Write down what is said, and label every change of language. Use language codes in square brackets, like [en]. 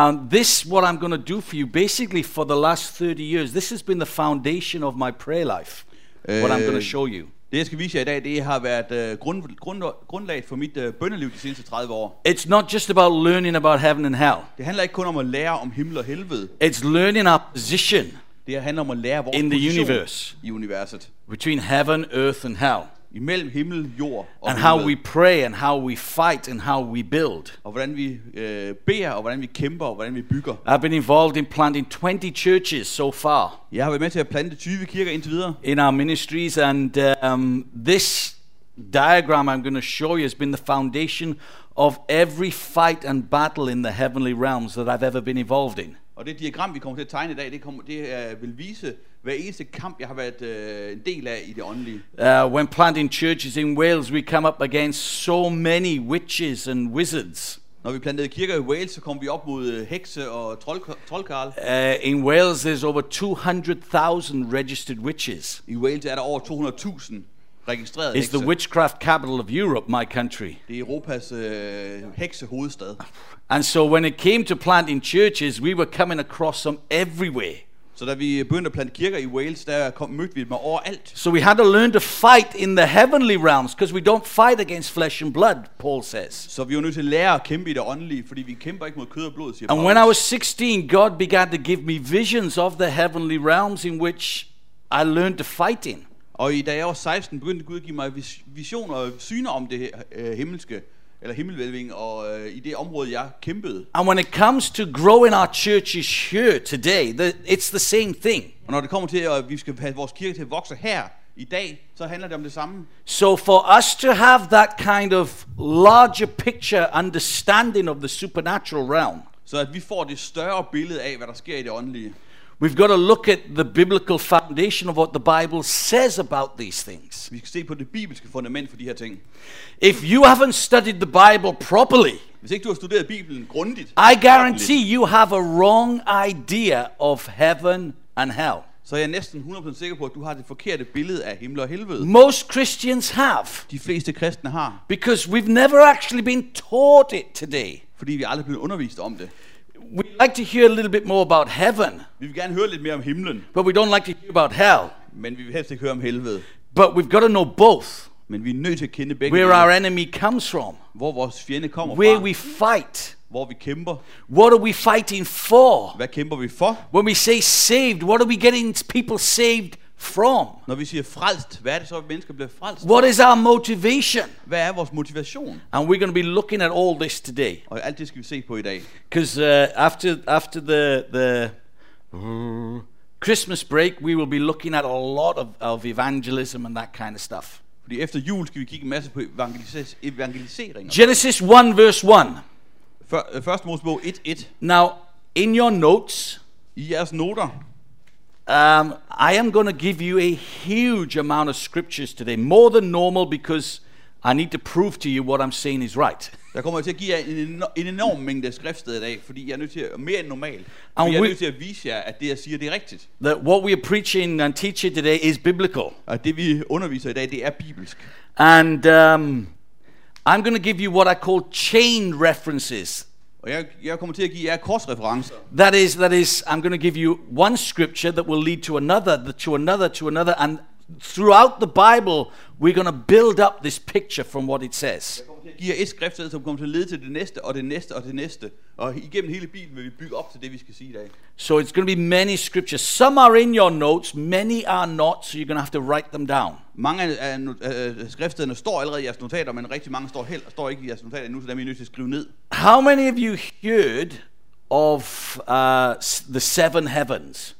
[en] This what I'm going to do for you basically for the last 30 years. This has been the foundation of my prayer life. What I'm going to show you. [da] Det jeg skal vise jer i dag, det har været grundlaget for mit bønneliv de seneste 30 år. [en] It's not just about learning about heaven and hell. [da] Det handler ikke kun om at lære om himmel og helvede. [en] It's learning our position. [da] Det handler om at lære vores [en] in the universe. [da] I universet. [en] Between heaven, earth and hell. [da] Imellem himmel, jord og [en] and how we pray and how we fight and how we build. [da] Og hvordan vi beder og hvordan vi kæmper og hvordan vi bygger. [en] I've been involved in planting 20 churches so far. [da] Jeg har været med til at plante 20 kirker indtil videre. [en] In our ministries and this diagram I'm going to show you has been the foundation of every fight and battle in the heavenly realms that I've ever been involved in. [da] Og det diagram vi kommer til at tegne i dag, vil vise hver eneste kamp jeg har været en del af i det åndelige. [en] When planting churches in Wales, we come up against so many witches and wizards. [da] Når vi plantede kirker i Wales, så kom vi op mod hekse og troldkarle. [en] In Wales there's over 200,000 registered witches. [da] I Wales er der over 200,000 registrerede hekse. [en] It's the witchcraft capital of Europe, my country. [da] Det er Europas heksehovedstad. [en] And so when it came to planting churches, we were coming across them everywhere. [da] Så da vi begyndte at plante kirker i Wales, der mødte vi dem overalt. [en] So we had to learn to fight in the heavenly realms, because we don't fight against flesh and blood, Paul says. [da] Så vi var nødt til at lære at kæmpe i det åndelige, fordi vi kæmper ikke mod kød og blod, siger Paul. [en] And when I was 16, God began to give me visions of the heavenly realms in which I learned to fight in. [da] Og da jeg var 16, begyndte Gud at give mig visioner og syner om det himmelske. Eller himmelvælving og i det område jeg kæmpede. [en] And when it comes to growing our churches here today, it's the same thing. [da] Og når det kommer til at vi skal have vores kirke til at vokse her i dag, så handler det om det samme. [en] So for us to have that kind of larger picture understanding of the supernatural realm. [da] Så at vi får det større billede af hvad der sker i det åndelige. [en] We've got to look at the biblical foundation of what the Bible says about these things. [da] Vi skal se på det bibelske fundament for de her ting. [en] If you haven't studied the Bible properly, [da] hvis ikke du har studeret Bibelen grundigt, [en] I guarantee you have a wrong idea of heaven and hell. [da] Så jeg er næsten 100% sikker på, at du har det forkerte billede af himmel og helvede. [en] Most Christians have. [da] De fleste kristne har. [en] Because we've never actually been taught it today. [da] Fordi vi aldrig er blevet undervist om det. [en] We'd like to hear a little bit more about heaven. [da] Vi vil gerne høre lidt mere om himlen. [en] But we don't like to hear about hell. [da] Men vi vil helst ikke høre om helvede. [en] But we've got to know both. [da] Men vi er nødt til at kende begge. [en] Where our enemy comes from. [da] Hvor vores fjende kommer [en] where [da] fra. [en] Where we fight. [da] Hvor vi kæmper. [en] What are we fighting for? [da] Hvad kæmper vi for? [en] When we say saved, what are we getting people saved from? [da] Når vi siger frelst, hvad er det så at mennesker bliver frelst? [en] What is our motivation? [da] Hvad er vores motivation? [en] And we're going to be looking at all this today. [da] Og alt det skal vi se på i dag. [en] Because after the Christmas break, we will be looking at a lot of evangelism and that kind of stuff. [da] Fordi efter jul skal vi kigge en masse på evangelisering. [en] Genesis 1 verse 1. [da] Første Mosebog 1:1. [en] Now in your notes, [da] i jeres noter. [en] I am going to give you a huge amount of scriptures today, more than normal, because I need to prove to you what I'm saying is right. [da] Jeg kommer til at give jer en enorm mængde skriftsteder i dag, fordi jeg er nødt til at, mere end normalt, fordi jeg er nødt til at vise jer, at det jeg siger, det er rigtigt. [en] That what we are preaching and teaching today is biblical. [da] At det vi underviser i dag, det er bibelsk. [en] And I'm going to give you what I call chain references. [da] Og jeg kommer til at give jer korsreferencer. [en] That is, I'm going to give you one scripture that will lead to another, to another, to another, and throughout the Bible, we're going to build up this picture from what it says. [da] Giver et skrift, som kommer til at lede til det næste og det næste og det næste, og igennem hele Bibelen vil vi bygge op til det, vi skal sige i dag. [en] So it's going to be many scriptures. Some are in your notes, many are not, so you're going to have to write them down. [da] Mange af skriftstederne står allerede i jeres notater, men rigtig mange står ikke i jeres notater nu, så dem er I nødt til at skrive ned. [en] How many of you heard of the seven heavens?